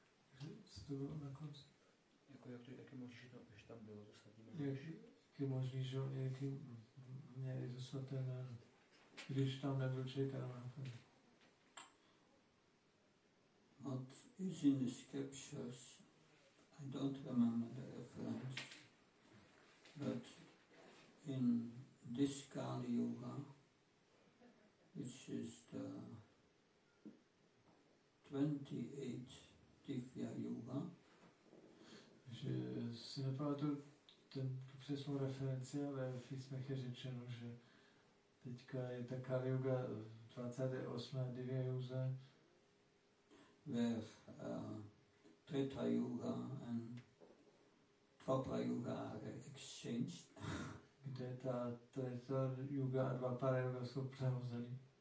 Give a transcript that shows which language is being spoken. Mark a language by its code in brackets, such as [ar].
[cs] Takže co to bylo na konci? Jako jak to je možný, že tam bylo to svaté jméno? Jak je možný, že oni taky měli to svaté jméno? Když tam nebyl Chaitanya Mahaprabhu. [en] What is in the scriptures? I don't remember the reference. But in this Kali Yuga, which is the 28th Divya Yuga. [cs] Že si nepamatuju ten přesnou referenci, ale v písmech je řečeno, že teďka je ta Kali Yuga 28. Divya Yuga. [en] Where Treta Yuga and Dvapara Yuga are exchanged. Kde ta Treta Yuga a Dvapara Yuga jsou přehozeny.